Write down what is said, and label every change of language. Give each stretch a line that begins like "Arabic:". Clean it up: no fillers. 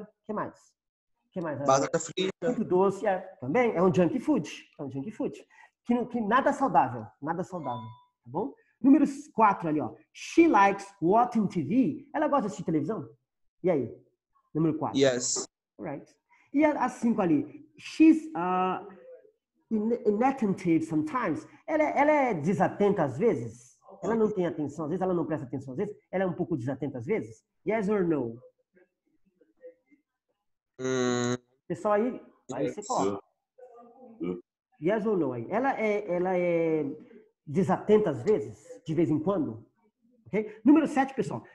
Portuguese: O que mais? Batata frita. Muito doce. É, também é um junk food. É um junk food. Que nada saudável. Nada saudável. Tá bom? Número 4 ali, ó.
English: She likes watching TV.
Portuguese: Ela gosta de assistir televisão? E aí? Número 4.
English: Yes.
Portuguese: Right. E a 5 ali.
English: She's inattentive sometimes.
Portuguese: Ela é desatenta às vezes? Ela não tem atenção, às vezes ela não presta atenção, às vezes ela é um pouco desatenta, às vezes?
English: Yes or no?
Portuguese: Pessoal, aí você coloca.
English: Yes or no?
Portuguese: Ela é desatenta, às vezes? De vez em quando? Okay? Número 7, pessoal.